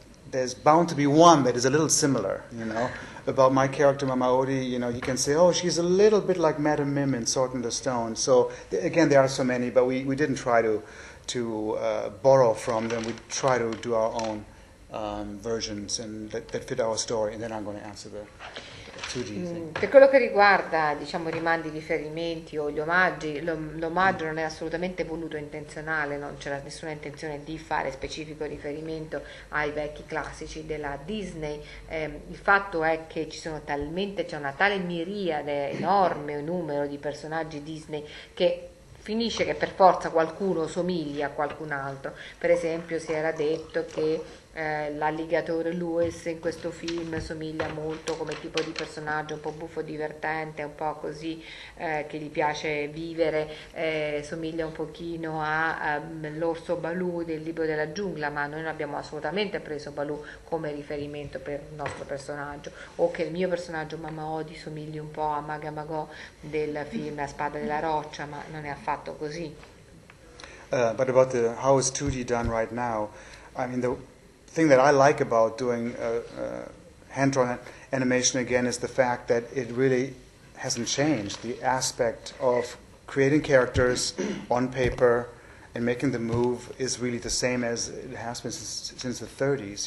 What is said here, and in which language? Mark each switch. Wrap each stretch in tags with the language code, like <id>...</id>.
<en>There's bound to be one that is a little similar, you know. About my character, Mama Odie, you know, you can say, oh, she's a little bit like Madame Mim in Sword in the Stone. So, again, there are so many, but we didn't try to borrow from them. We try to do our own versions and that fit our story. And then I'm going to answer the 2D thing.</en> <it>Per quello che riguarda, diciamo, rimandi, riferimenti o gli omaggi, l'omaggio non è assolutamente voluto, intenzionale, non c'era nessuna intenzione di fare specifico riferimento ai vecchi classici della Disney. Il fatto è che ci sono talmente, c'è una tale miriade, enorme numero di personaggi Disney, che finisce che per forza qualcuno somiglia a qualcun altro. Per esempio, si era detto che l'alligatore Lewis in questo film somiglia molto come tipo di personaggio, un po' buffo, divertente, un po' così, che gli piace vivere, somiglia un pochino a l'orso Baloo del Libro della Giungla, ma noi non abbiamo assolutamente preso Baloo come riferimento per il nostro personaggio, o che il mio personaggio Mama Odie somigli un po' a Maga Mago del film La Spada della Roccia, ma non è affatto così.</it> <en>But about the, how is 2D done right now? I mean, the thing that I like about doing hand-drawn animation again is the fact that it really hasn't changed. The aspect of creating characters on paper and making the move is really the same as it has been since the 30s.</en>